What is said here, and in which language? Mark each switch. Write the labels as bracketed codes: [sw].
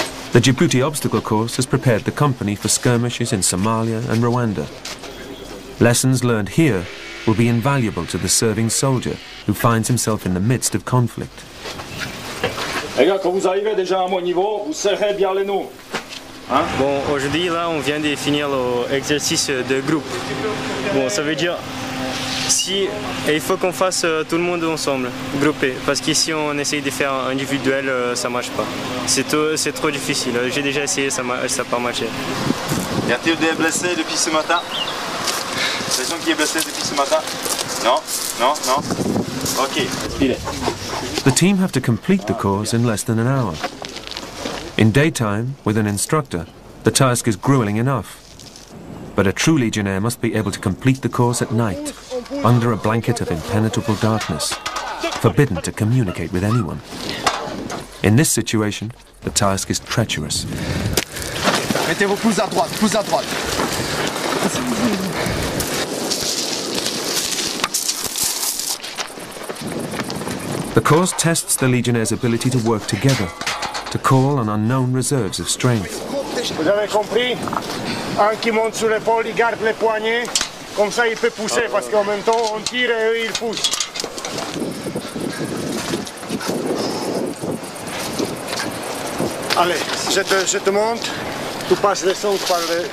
[en] The Djibouti obstacle course has prepared the company for skirmishes in Somalia and Rwanda. Lessons learned here will be invaluable to the serving soldier who finds himself in the midst of conflict. [fr] Les gars, quand vous arrivez déjà à mon niveau, vous serrez bien les noms. Hein? Bon, aujourd'hui là, on vient de finir l'exercice de groupe. Bon, ça veut dire Si, et il faut qu'on fasse tout le monde ensemble, groupé. Parce qu'ici, on essaye de faire individuel, ça marche pas. C'est trop difficile. J'ai déjà essayé, ça n'a pas marché. Y a-t-il des blessés depuis ce matin? Quelqu'un qui est blessé depuis ce matin? Non? Non? Non? Ok, respirez. [en] The team have to complete the course in less than an hour. In daytime, with an instructor, the task is grueling enough. But a true legionnaire must be able to complete the course at night, under a blanket of impenetrable darkness, forbidden to communicate with anyone. In this situation, the task is treacherous. [fr] Mettez-vous plus à droite, plus à droite. [en] The course tests the legionnaire's ability to work together, to call on unknown reserves of strength. [fr] Vous avez compris? Un qui monte sur l'épaule, il garde les poignets, comme ça il peut pousser, parce qu'en même temps on tire et eux ils poussent. Allez, je te monte, tu passes les sons par le...